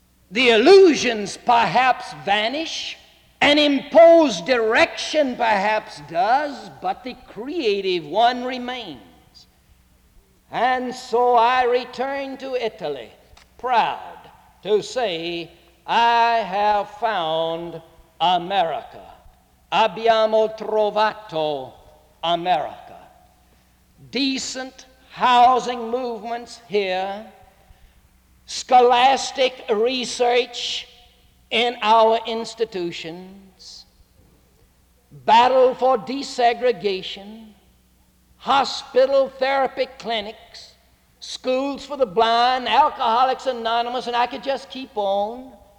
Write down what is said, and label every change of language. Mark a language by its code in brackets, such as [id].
[en] The illusions perhaps vanish. An imposed direction perhaps does, but the creative one remains. And so I return to Italy, proud to say, I have found America. [it] Abbiamo trovato America. [en] Decent housing movements here. Scholastic research in our institutions, battle for desegregation, hospital therapy clinics, schools for the blind, Alcoholics Anonymous, and I could just keep on.